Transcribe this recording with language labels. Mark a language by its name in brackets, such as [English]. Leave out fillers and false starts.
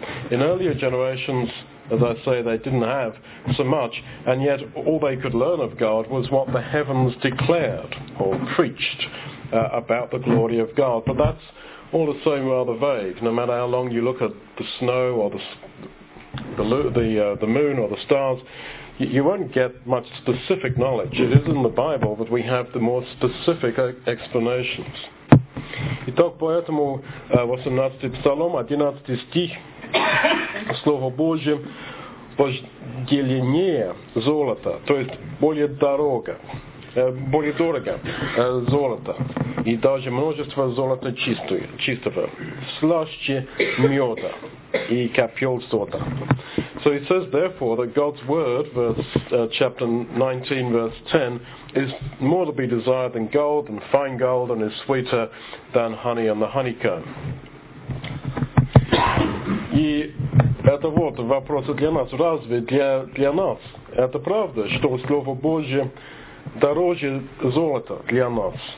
[English] In earlier generations, as I say, they didn't have so much, and yet all they could learn of God was what the heavens declared or preached about the glory of God. But that's all the same rather vague, no matter how long you look at the snow or the moon or the stars. You won't get much specific knowledge. It is in the Bible that we have the more specific explanations. [Russian] Итак, поэтому 18 Псалом, 11 стих, Слово Божие вожделеннее золота, то есть более дорого золота, и даже множество золота чистого, слаще меда и копьёл сота. [English] So it says, therefore, that God's word, chapter 19, verse 10, is more to be desired than gold and fine gold, and is sweeter than honey and the honeycomb. [Russian] И это вот вопрос для нас. Разве для нас это правда, что Слово Божье дороже золота для нас?